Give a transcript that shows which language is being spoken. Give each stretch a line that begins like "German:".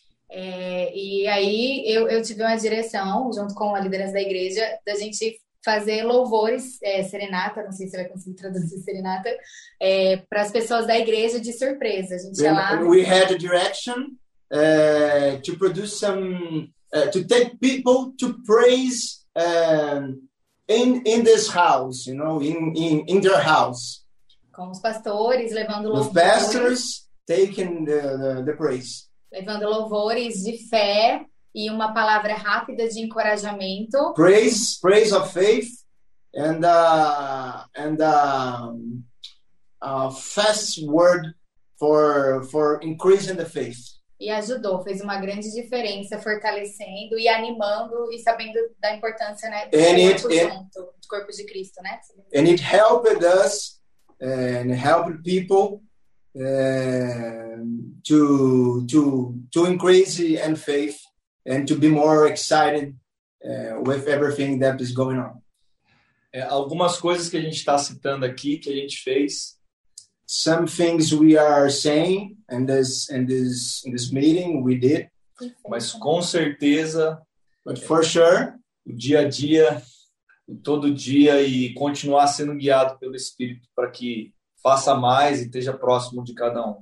Portuguese: E aí eu tive uma direção junto com a liderança da igreja da gente fazer louvores, serenata, não sei se vai conseguir traduzir serenata, para as pessoas da igreja de surpresa. A gente
English: We had a direction to produce some. To take people to praise in this house, you know, in their house.
Portuguese: Com os pastores levando louvores.
English: The pastors taking the praise.
Portuguese: Levando louvores de fé e uma palavra rápida de encorajamento.
English: Praise of faith and a fast word for increasing the faith.
Portuguese: E ajudou, fez uma grande diferença, fortalecendo e animando e sabendo da importância, né, do corpo de Cristo, né?
English: And it helped us and helped people to increase in faith and to be more excited with everything that is going on.
Portuguese: Algumas coisas que a gente está citando aqui que a gente fez.
English: Some things we are saying in this meeting we did,
Portuguese: mas com certeza,
English: but for sure,
Portuguese: o dia a dia, todo dia e continuar sendo guiado pelo Espírito para que faça mais e esteja próximo de cada um.